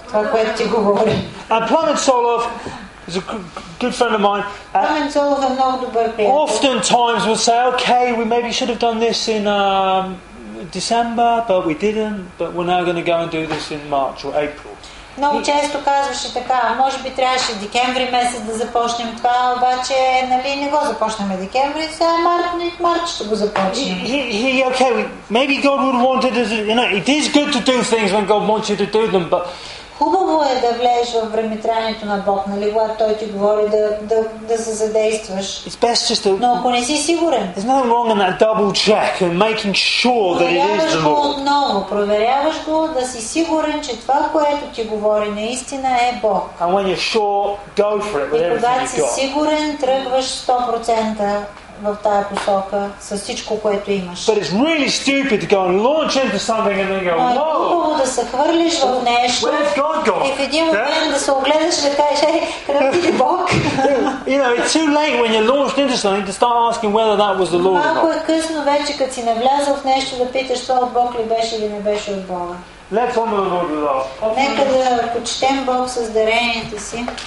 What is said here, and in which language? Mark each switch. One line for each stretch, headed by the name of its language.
Bulgarian: Това, което ти говори.
English: And Plummet Solov is a good friend of mine.
Bulgarian: Plummet Solov е много добър приятел.
English: Oftentimes we'll say, okay, we maybe should have done this in December, but we didn't, but we're now going to go and do this in March or April.
Bulgarian: Много често казваше така, може би трябваше декември месец да започнем това, обаче нали не го започнаме декември, сега март ще го започнем.
English: He okay, maybe God would want it as, you know, it is good to do things when God wants you to do them, but
Bulgarian: хубаво е да влезеш в времетраянието на Бог, нали, когато Той ти говори да се задействаш.
English: It's best just to...
Bulgarian: Но ако не си сигурен,
English: there's nothing wrong in that double check and making sure that it is the Lord.
Bulgarian: Отново, проверяваш го да си сигурен, че това, което ти говори, наистина е Бог.
English: And when you're sure, go for it with everything you've got.
Bulgarian: И когато си сигурен, тръгваш 100% в тая посока с всичко, което имаш.
English: But it's really stupid to go and launch into something and then go, whoa!
Bulgarian: Но е глупо да се хвърлиш в нещо.
English: Where's God gone?
Bulgarian: И в един момент да се огледаш и да кажеш, ей, къде ти Бог?
English: You know, it's too late when you're launched into something to start asking whether that was the Lord.
Bulgarian: Малко е късно вече, като си навлязъл в нещо, да питаш това от Бог ли беше или не беше от Бога.
English: Let's honor the Lord with our.
Bulgarian: Нека да почетем Бог с даренията си.